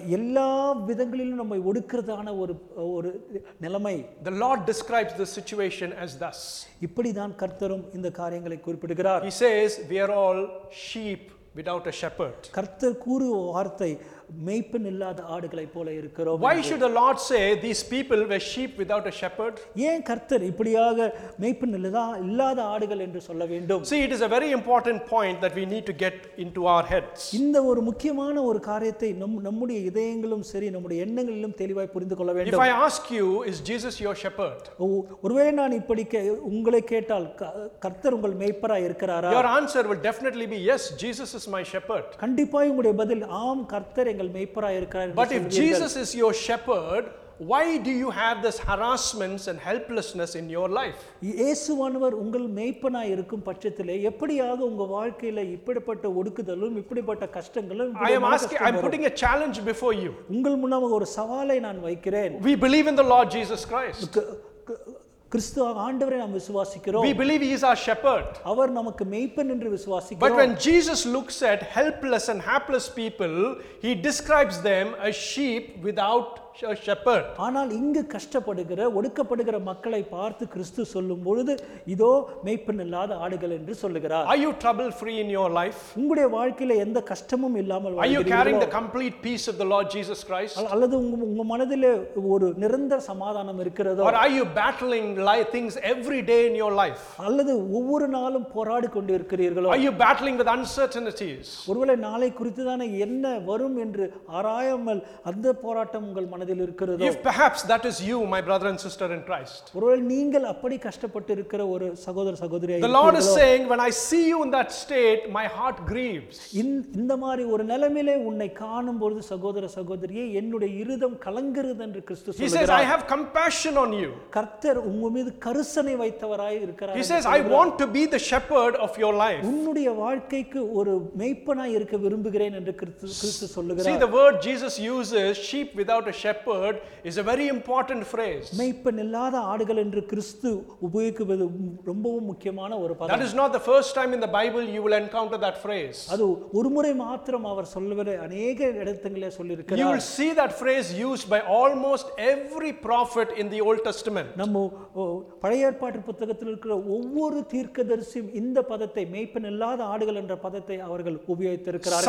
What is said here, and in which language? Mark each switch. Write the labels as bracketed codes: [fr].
[ta] எல்லா விதங்களிலும் நம்மை ஒடுக்குறதான ஒரு ஒரு நிலைமை. [en] The Lord describes the situation as thus. [ta] இப்படி தான் கர்த்தரும் இந்த காரியங்களை குறிப்பிடுகிறார். [en] He says, we are all sheep without a shepherd. [ta] கர்த்தர் கூறு வார்த்தை, மேய்ப்பன் இல்லாத ஆடுகளை போல இருக்கிறோம். [en] Why should the Lord say these people were sheep without a shepherd? [ta] ஏன் கர்த்தர் இப்படியாக மேய்ப்பன் இல்லாத ஆடுகள் என்று சொல்ல வேண்டும்? [en] See, it is a very important point that we need to get into our heads. [ta] இந்த ஒரு முக்கியமான ஒரு காரியத்தை நம்முடைய இதயங்களும் சரி நம்முடைய எண்ணங்களிலும் தெளிவாய் புரிந்து கொள்ள வேண்டும். [en] If I ask you, is Jesus your shepherd? [ta] ஒருவேளை நான் இப்படி உங்களை கேட்டால் கர்த்தர் உங்கள் மேய்ப்பராய் இருக்கிறாரா? [en] Your answer will definitely be yes, Jesus is my shepherd. [ta] கண்டிப்பாய் உங்களுடைய பதில் ஆம், கர்த்தர் எங்கள் மேய்ப்பராய் இருக்கிறார். [en] But if Jesus is your shepherd, why do you have this harassments and helplessness in your life? [ta] இயேசுவானவர் உங்கள் மேய்ப்பனாய் இருக்கும் பட்சத்திலே எப்படியாக உங்க வாழ்க்கையில இப்படிப்பட்ட ஒடுக்குதலும் இப்படிப்பட்ட கஷ்டங்களும்? [en] I am putting a challenge before you. [ta] உங்கள் முன்னாக ஒரு சவாலை நான் வைக்கிறேன். [en] We believe in the Lord Jesus Christ. [ta] கிறிஸ்துவாக ஆண்டவரை நாம் விசுவாசிக்கிறோம். [en] We believe he is our shepherd. [ta] அவர் நமக்கு மேய்ப்பன் என்று விசுவாசிக்கிறோம். [en] But when Jesus looks at helpless and hapless people, he describes them as sheep without a shepherd. [ta] ஆனால் இங்கு கஷ்டப்படுகிற ஒடுக்கப்படுகிற மக்களை பார்த்து கிறிஸ்து சொல்லும் பொழுது இதோ மேய்ப்பன் இல்லாத ஆடுகள் என்று சொல்லுகிறார். [en] Are you trouble free in your life? [ta] உங்களுடைய வாழ்க்கையில எந்த கஷ்டமும் இல்லாமல் வாழ்கிறீர்களா? [en] Are you carrying the complete peace of the Lord Jesus Christ? [ta] அல்லது உங்க மனதிலே ஒரு நிரந்தர சமாதானம் இருக்கிறதோ? [en] Or are you battling life things every day in your life? [ta] அல்லது ஒவ்வொரு நாளும் போராடி கொண்டிருக்கிறீர்களோ? [en] Are you battling with uncertainties? [ta] ஒருவேளை நாளை குறித்து தானே என்ன வரும் என்று ஆராயாமல் அந்த போராட்டம் உங்கள் மனதில் இருக்கிறதோ? [en] If perhaps that is you, my brother and sister in Christ. [ta] ஒருவேளை நீங்கள் அப்படி கஷ்டப்பட்டு இருக்கிற ஒரு சகோதர சகோதரியாய் இருக்கிறதோ? [en] The Lord is saying, when I see you in that state, my heart grieves. [ta] இந்த மாதிரி ஒரு நிலையிலே உன்னை காணும் பொழுது சகோதர சகோதரியே என்னுடைய இருதயம் கலங்குகிறது என்று கிறிஸ்து சொல்கிறார். [en] He says, I have compassion on you. [ta] கர்த்தர் உங்க மீது கருசனை வைத்தவராய் இருக்கிறார். [en] He says, I want to be the shepherd of your life. [ta] உன்னுடைய வாழ்க்கைக்கு ஒரு மேய்ப்பனாய் இருக்க விரும்புகிறேன் என்று கிறிஸ்து சொல்கிறார். [en] See, the word Jesus uses, sheep without a shepherd, is a very important phrase. [ta] மேய்ப்பன் இல்லாத ஆடுகள் என்று கிறிஸ்து உபயோகிப்பது ரொம்பவும் முக்கியமான ஒரு பதம். [en] That is not the first time in the Bible you will encounter that phrase. [ta] அது ஒருமுறை மட்டும் அவர் சொல்லவில்லை, அநேக இடங்களிலே சொல்லியிருக்கிறார். [en] You will see that phrase used by almost every prophet in the Old Testament. [ta] நம்ம பழைய ஏற்பாட்டு புத்தகத்தில் இருக்கிற ஒவ்வொரு தீர்க்கதரிசியும் இந்த பதத்தை, மேய்ப்பன் இல்லாத ஆடுகள் என்ற பதத்தை அவர்கள் உபயோகித்திருக்கிறார்கள்.